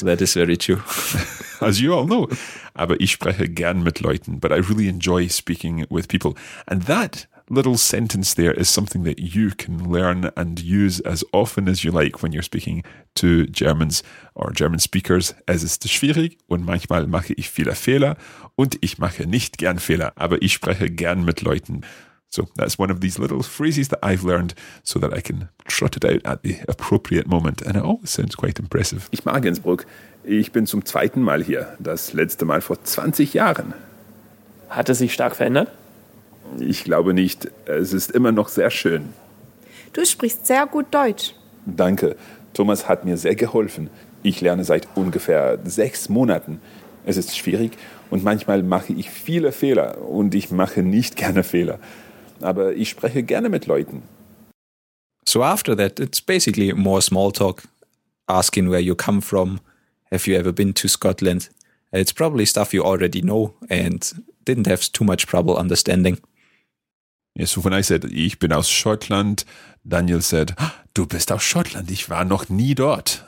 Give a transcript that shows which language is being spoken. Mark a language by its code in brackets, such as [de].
[en] That is very true. As you all know. [de] Aber ich spreche gern mit Leuten. [en] But I really enjoy speaking with people. And that little sentence there is something that you can learn and use as often as you like when you're speaking to Germans or German speakers. [de] Es ist schwierig und manchmal mache ich viele Fehler. Und ich mache nicht gern Fehler. Aber ich spreche gern mit Leuten. [en] So that's one of these little phrases that I've learned so that I can trot it out at the appropriate moment. And it always sounds quite impressive. [de] Ich mag Innsbruck. Ich bin zum zweiten Mal hier. Das letzte Mal vor 20 Jahren. Hat es sich stark verändert? Ich glaube nicht. Es ist immer noch sehr schön. Du sprichst sehr gut Deutsch. Danke. Thomas hat mir sehr geholfen. Ich lerne seit ungefähr 6 Monaten. Es ist schwierig und manchmal mache ich viele Fehler und ich mache nicht gerne Fehler. Aber ich spreche gerne mit Leuten. [en] So after that, it's basically more small talk, asking where you come from, have you ever been to Scotland. It's probably stuff you already know and didn't have too much trouble understanding. Yeah, so when I said, [de] ich bin aus Schottland, [en] Daniel said, [de] du bist aus Schottland, ich war noch nie dort.